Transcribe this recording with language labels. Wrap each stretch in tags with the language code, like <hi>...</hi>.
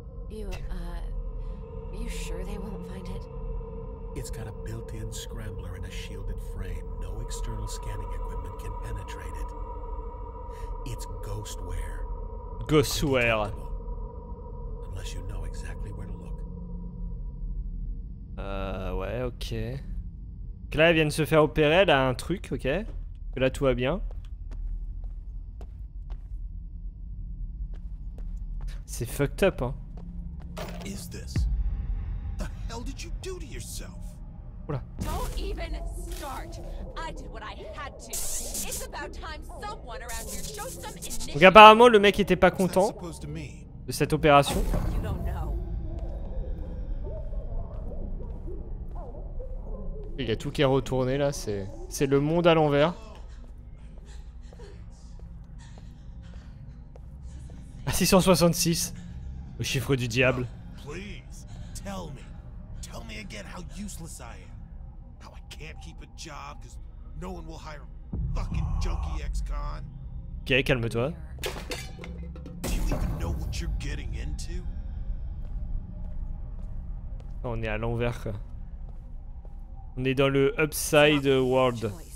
<en>You sure they won't find it? It's got a built-in scrambler and a shielded frame. No external scanning equipment can penetrate it. It's ghostware. Ghostware. Unless you know exactly where to look.</en> <fr>Ouais, ok. Donc là, elle vient de se faire opérer, elle a un truc, ok. Là, tout va bien. C'est fucked up, hein.</fr> <en>Is this? The hell did you do to yourself?</en> <fr>Oula.</fr> <en>Don't even start. I did what I had to. It's about time someone around here shows some initiative.</en> <fr>Donc apparemment le mec était pas content de cette opération.</fr> <en>You don't know.</en> <fr>Il y a tout qui est retourné là, c'est le monde à l'envers. À 666, le chiffre du diable.</fr> <en>Oh, please, tell me. Tell me again how useless I am. Can't keep a job because no one will hire a fucking junky ex-con.</en> <fr>Okay, calme-toi.</fr> <en>Do you even know what you're getting into?</en> <fr>On est à l'envers. On est dans le upside world.</fr>